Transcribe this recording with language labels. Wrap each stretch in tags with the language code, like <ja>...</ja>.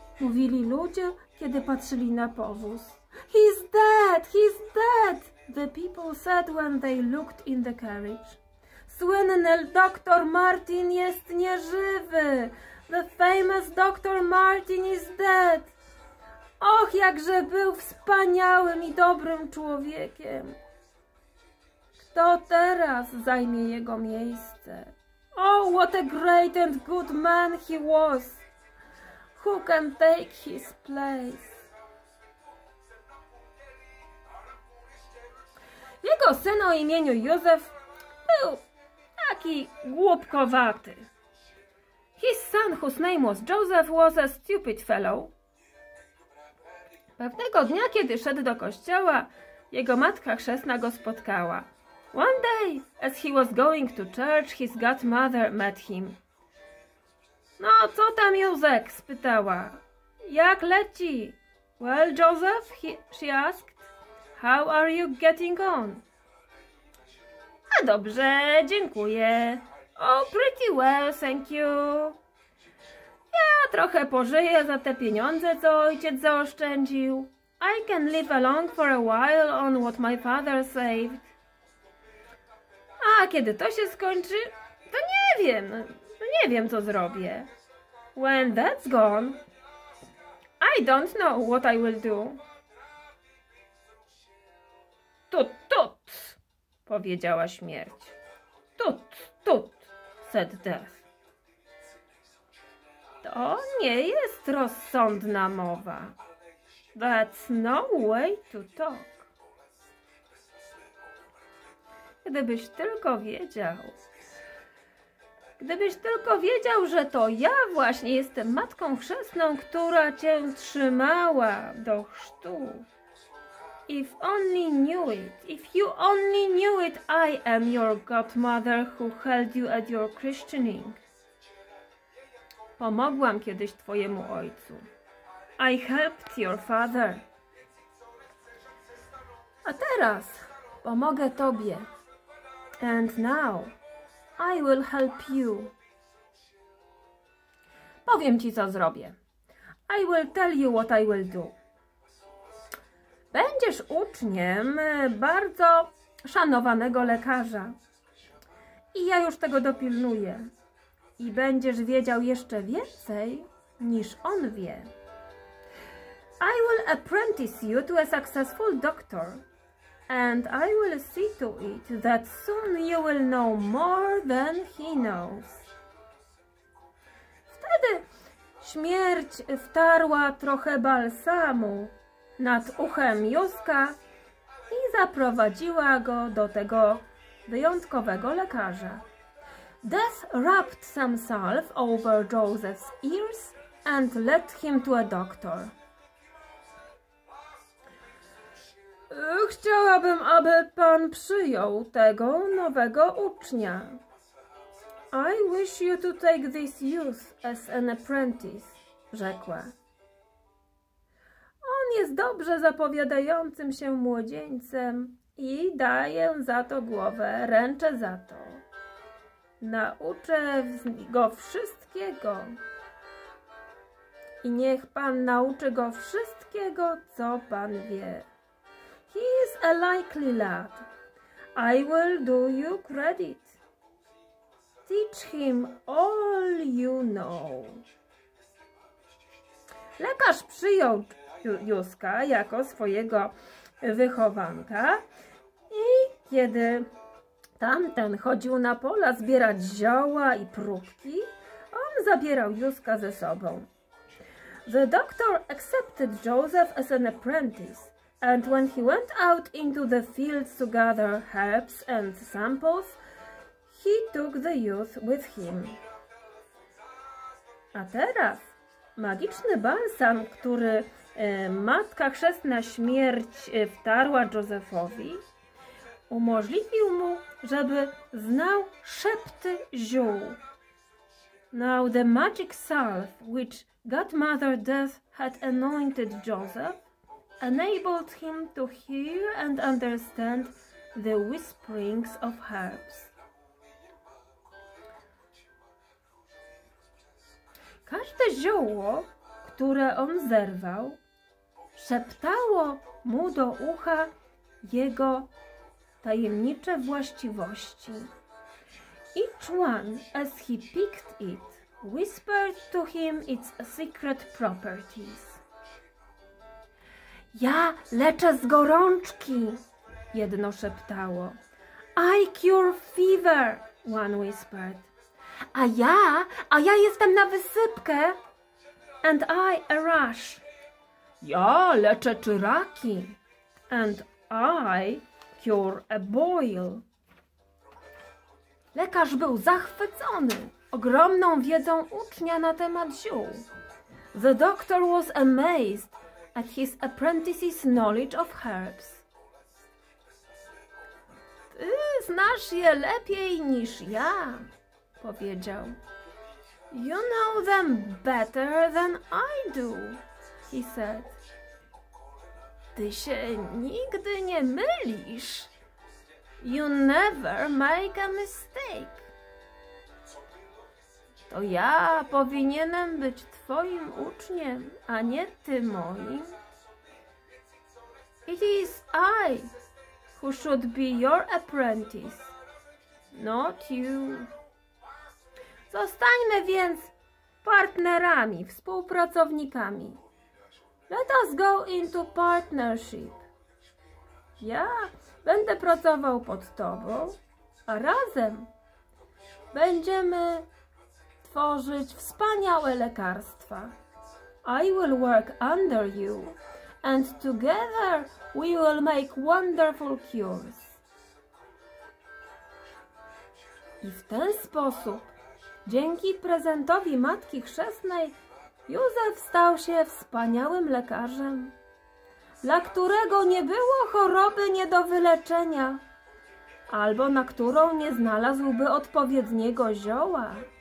<pl>Mówili ludzie, kiedy patrzyli na powóz.</pl> <en>He's dead! He's dead! The people said when they looked in the carriage.</en> <pl>Słynny doktor Martin jest nieżywy.</pl> <en>The famous doctor Martin is dead.</en> <pl>Och, jakże był wspaniałym i dobrym człowiekiem. Kto teraz zajmie jego miejsce?</pl> <en>Oh, what a great and good man he was. Who can take his place?</en> <pl>Jego syn o imieniu Józef był taki głupkowaty.</pl> <en>His son, whose name was Joseph, was a stupid fellow.</en> <pl>Pewnego dnia, kiedy szedł do kościoła, jego matka chrzestna go spotkała.</pl> <en>One day, as he was going to church, his godmother met him.</en> <pl>No, co tam, Józek? Spytała. Jak leci?</pl> <en>Well, Joseph, she asked. How are you getting on?</en> <pl>A dobrze, dziękuję.</pl> <en>Oh, pretty well, thank you.</en> <pl>Ja trochę pożyję za te pieniądze, co ojciec zaoszczędził.</pl> <en>I can live along for a while on what my father saved.</en> <pl>A kiedy to się skończy? To nie wiem. Nie wiem, co zrobię.</pl> <en>When that's gone, I don't know what I will do.</en> <pl>Tut-tut! Powiedziała śmierć.</pl> <en>Tut, tut, said Death.</en> <pl>To nie jest rozsądna mowa.</pl> <en>That's no way to talk.</en> <pl>Gdybyś tylko wiedział. Gdybyś tylko wiedział, że to ja właśnie jestem matką chrzestną, która cię trzymała do chrztu.</pl> <en>If only knew it, if you only knew it, I am your godmother who held you at your christening.</en> <pl>Pomogłam kiedyś twojemu ojcu.</pl> <en>I helped your father.</en> <pl>A teraz pomogę tobie.</pl> <en>And now I will help you.</en> <pl>Powiem ci, co zrobię.</pl> <en>I will tell you what I will do.</en> <pl>Będziesz uczniem bardzo szanowanego lekarza. I ja już tego dopilnuję. I będziesz wiedział jeszcze więcej, niż on wie.</pl> <en>I will apprentice you to a successful doctor. And I will see to it that soon you will know more than he knows.</en> <pl>Wtedy śmierć wtarła trochę balsamu nad uchem Józka i zaprowadziła go do tego wyjątkowego lekarza.</pl> <en>Death rubbed some salve over Joseph's ears and led him to a doctor.</en> <pl>Chciałabym, aby pan przyjął tego nowego ucznia.</pl> <en>I wish you to take this youth as an apprentice,</en> <pl>rzekła. On jest dobrze zapowiadającym się młodzieńcem i daję za to głowę, ręczę za to. Nauczę go wszystkiego. I niech pan nauczy go wszystkiego, co pan wie.</pl> <en>He is a likely lad. I will do you credit. Teach him all you know.</en> <pl>Lekarz przyjął Józka jako swojego wychowanka i kiedy tamten chodził na pola zbierać zioła i próbki, on zabierał Józka ze sobą.</pl> <en>The doctor accepted Joseph as an apprentice. And when he went out into the fields to gather herbs and samples, he took the youth with him.</en> <pl>A teraz magiczny balsam, który matka chrzestna śmierć wtarła Józefowi, umożliwił mu, żeby znał szepty ziół.</pl> <en>Now the magic salve which godmother death had anointed Joseph enabled him to hear and understand the whisperings of herbs.</en> <pl>Każde zioło, które on zerwał, szeptało mu do ucha jego tajemnicze właściwości.</pl> <en>Each one, as he picked it, whispered to him its secret properties.</en> <pl>Ja leczę z gorączki, jedno szeptało.</pl> <en>I cure fever, one whispered.</en> <pl>A ja jestem na wysypkę.</pl> <en>And I a rash.</en> <pl>Ja leczę czyraki.</pl> <en>And I cure a boil.</en> <pl>Lekarz był zachwycony ogromną wiedzą ucznia na temat ziół.</pl> <en>The doctor was amazed at his apprentice's knowledge of herbs.</en> <pl>Ty znasz je lepiej niż ja, powiedział.</pl> <en>You know them better than I do, he said.</en> <pl>Ty się nigdy nie mylisz.</pl> <en>You never make a mistake.</en> <pl>To ja powinienem być twoim uczniem, a nie ty moim.</pl> <en>It is I who should be your apprentice, not you.</en> <pl>Zostańmy więc partnerami, współpracownikami.</pl> <en>Let us go into partnership.</en> <pl>Ja będę pracował pod tobą, a razem będziemy stworzyć wspaniałe lekarstwa.</pl> <en>I will work under you and together we will make wonderful cures.</en> <pl>I w ten sposób, dzięki prezentowi Matki Chrzestnej, Józef stał się wspaniałym lekarzem, dla którego nie było choroby nie do wyleczenia, albo na którą nie znalazłby odpowiedniego zioła.</pl>